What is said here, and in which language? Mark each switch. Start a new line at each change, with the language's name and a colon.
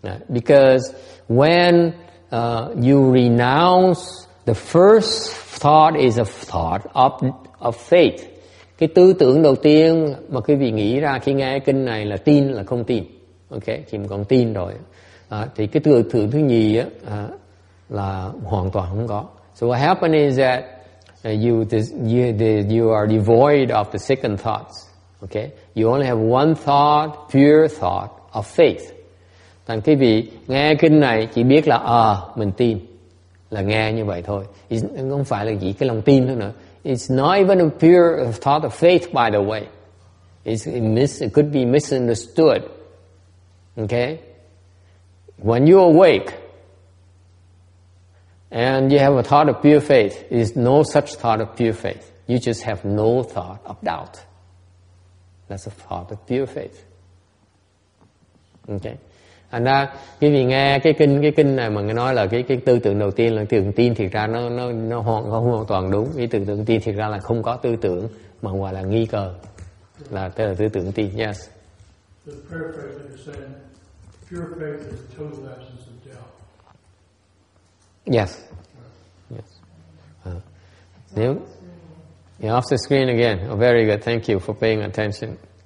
English: Because when you renounce, the first thought is a thought of faith.
Vietnamese: Cái tư tưởng đầu tiên mà quý vị nghĩ ra khi nghe kinh này là tin, là không tin, okay? Khi mà còn tin rồi thì cái tư tưởng thứ nhì á, là hoàn toàn không có.
English: So what happened is that you are devoid of the second thoughts, okay? You only have one thought, pure thought of faith.
Vietnamese: Thành quý vị nghe kinh này chỉ biết là mình tin, là nghe như vậy thôi. Không phải là chỉ cái lòng tin thôi nữa.
English: It's not even a pure thought of faith, by the way. It could be misunderstood. Okay? When you awake and you have a thought of pure faith, it's no such thought of pure faith. You just have no thought of doubt. That's a thought of pure faith. Okay?
Vietnamese: Anh ta, quý vị nghe cái kinh này mà người nói là cái tư tưởng đầu tiên là tư tưởng tin, thiệt ra nó không hoàn toàn đúng. Cái tư tưởng tin thiệt ra là không có tư tưởng mà gọi là nghi ngờ, là tức là tư tưởng tin.
English: Yes. The paraphrase that you're saying, pure faith is total absence of doubt. Yes. Yes. Off the screen again. Oh, very good. Thank you for paying attention.